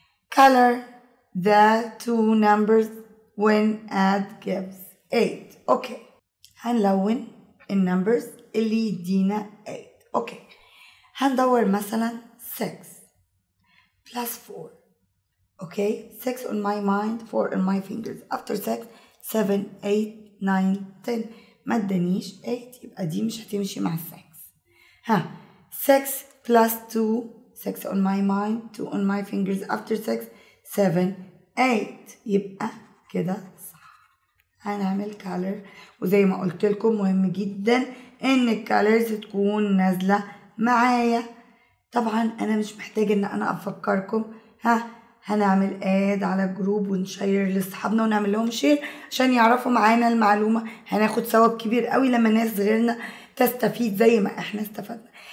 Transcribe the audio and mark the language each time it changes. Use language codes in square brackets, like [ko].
[en] Color the two numbers when add gives 8. [ar] اوكي هنلون النمبرز اللي يدينا 8. اوكي هندور مثلا [en] 6 plus 4. Okay 6 on my mind, 4 on my fingers. After 6 [ar] 7 8 9 10 ما ادانيش 8 يبقى دي مش هتمشي مع 6. ها 6 plus 2 6 on my mind 2 on my fingers after 6 7 8 يبقى كده هنعمل color. وزي ما قلت لكم مهم جدا ان الكالرز تكون نازلة معايا. طبعا انا مش محتاج ان انا افكركم. ها هنعمل اد على الجروب ونشير لاصحابنا ونعمل لهم شير عشان يعرفوا معانا المعلومة. هناخد ثواب كبير قوي لما ناس غيرنا تستفيد زي ما احنا استفدنا.